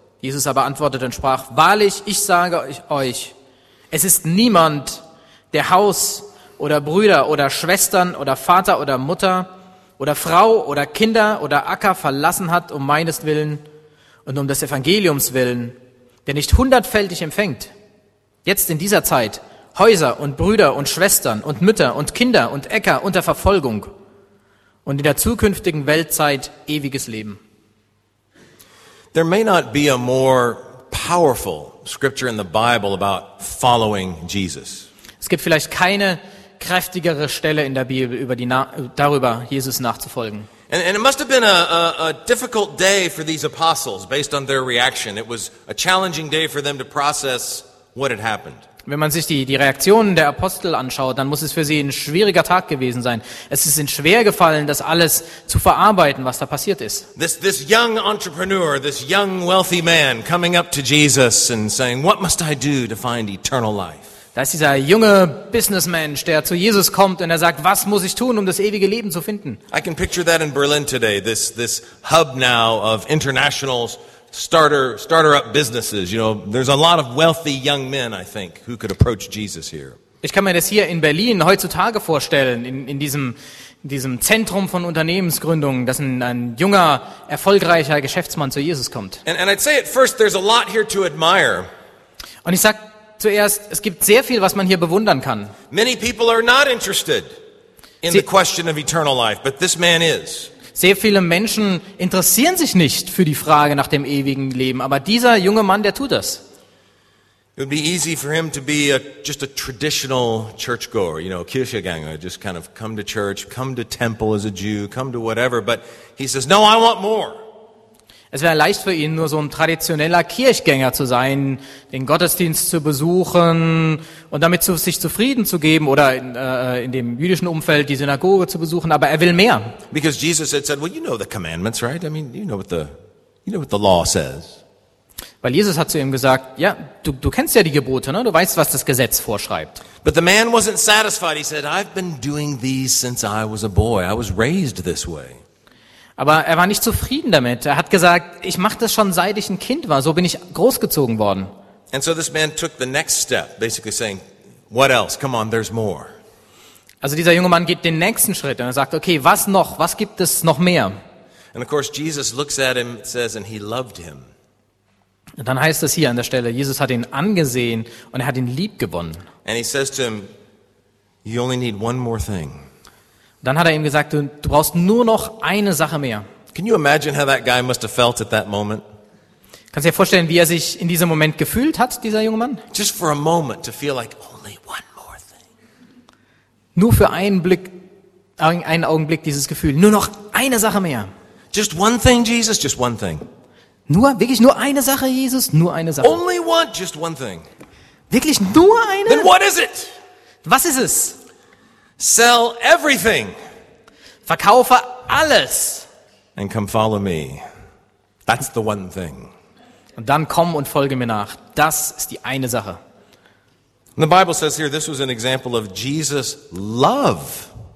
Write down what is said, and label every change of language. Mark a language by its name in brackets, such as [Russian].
[German] Jesus aber antwortete und sprach: Wahrlich, ich sage euch, es ist niemand, der Haus oder Brüder oder Schwestern oder Vater oder Mutter oder Frau oder Kinder oder Acker verlassen hat um meines Willen und um des Evangeliums Willen, der nicht hundertfältig empfängt, jetzt in dieser Zeit Häuser und Brüder und Schwestern und Mütter und Kinder und Äcker unter Verfolgung und in der zukünftigen Weltzeit ewiges Leben. [English] There may not be a more powerful scripture in the Bible about following Jesus. [German] Es gibt vielleicht keine kräftigere Stelle in der Bibel über die darüber, Jesus nachzufolgen. [English] And it must have been a difficult day for these apostles based on their reaction. It was a challenging day for them to process what had happened. [German] Wenn man sich die Reaktionen der Apostel anschaut, dann muss es für sie ein schwieriger Tag gewesen sein. Es ist ihnen schwer gefallen, das alles zu verarbeiten, was da passiert ist. [English] This young entrepreneur, this young wealthy man coming up to Jesus and saying, what must I do to find eternal life? [German] Da ist dieser junge Businessman, der zu Jesus kommt und er sagt: Was muss ich tun, um das ewige Leben zu finden? [English] I can picture that in Berlin today, this hub now of international starter-up businesses. You know, there's a lot of wealthy young men, I think, who could approach Jesus here. [German] Ich kann mir das hier in Berlin heutzutage vorstellen, in diesem Zentrum von Unternehmensgründungen, dass ein junger, erfolgreicher Geschäftsmann zu Jesus kommt. [English] And I'd say at first, there's a lot here to admire. [German] Und ich sag zuerst, es gibt sehr viel, was man hier bewundern kann. [English] Many people are not interested in the question of eternal life, but this man is. [German] Sehr viele Menschen interessieren sich nicht für die Frage nach dem ewigen Leben, aber dieser junge Mann, der tut das. [English] It would be easy for him to be just a traditional churchgoer, you know, Kirchgänger, just kind of come to church, come to temple as a Jew, come to whatever, but he says, no, I want more. [German] Es wäre leicht für ihn, nur so ein traditioneller Kirchgänger zu sein, den Gottesdienst zu besuchen und damit sich zufrieden zu geben oder in dem jüdischen Umfeld die Synagoge zu besuchen, aber er will mehr. [English] Because Jesus had said, well, you know the commandments, right? I mean, you know what the law says. [German] Weil Jesus hat zu ihm gesagt, ja, du kennst ja die Gebote, ne? Du weißt, was das Gesetz vorschreibt. [English] But the man wasn't satisfied. He said, I've been doing these since I was a boy. I was raised this way. [German] Aber er war nicht zufrieden damit. Er hat gesagt, ich mache das schon seit ich ein Kind war. So bin ich großgezogen worden. [English] And so this man took the next step, basically saying, what else? Come on, there's more. [German] Also dieser junge Mann geht den nächsten Schritt und er sagt, okay, was noch? Was gibt es noch mehr? [English] And of course Jesus looks at him, says, and he loved him. [German] Und dann heißt es hier an der Stelle, Jesus hat ihn angesehen und er hat ihn lieb gewonnen. [English] And he says to him, you only need one more thing. [German] Dann hat er ihm gesagt, du brauchst nur noch eine Sache mehr. [English] Can you imagine how that guy must have felt at that moment? [German] Kannst du dir vorstellen, wie er sich in diesem Moment gefühlt hat, dieser junge Mann? [English] Just for a moment to feel like only one more thing. [German] Nur für einen Blick, einen Augenblick dieses Gefühl. Nur noch eine Sache mehr. [English] Just one thing, Jesus, just one thing. [German] Nur, wirklich nur eine Sache, Jesus, nur eine Sache. [English] Only one, just one thing. [German] Wirklich nur eine? [English] Then what is it? [German] Was ist es? [English] Sell everything. [German] Verkaufe alles. [English] And come follow me. That's the one thing. [German] Und dann komm und folge mir nach. Das ist die eine Sache. [English] And the Bible says here, this was an example of Jesus' love.